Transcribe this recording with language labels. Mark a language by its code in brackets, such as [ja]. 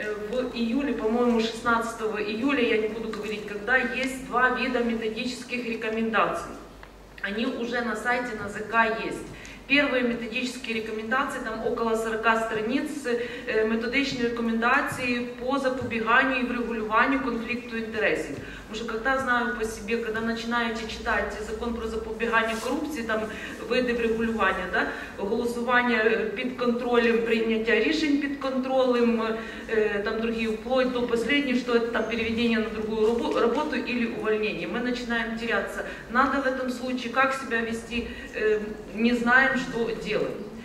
[ru] В июле, по-моему, 16 июля, я не буду говорить, когда, есть два вида методических рекомендаций. Они уже на сайте НАЗК есть. Первые методические рекомендации, там около 40 страниц, методичные рекомендации по запобеганию и врегулированию конфликту интересов. Потому что когда знаю по себе, когда начинаете читать закон про запобегание коррупции, [uk] там види врегулювання, да, голосування під контролем, прийняття рішень під контролем, там другі вплоть до последнього, що це там переведення на другу роботу или увольнення. Ми починаємо терятися. [ru] Надо в этом случае, как себя вести, не знаем, что делать.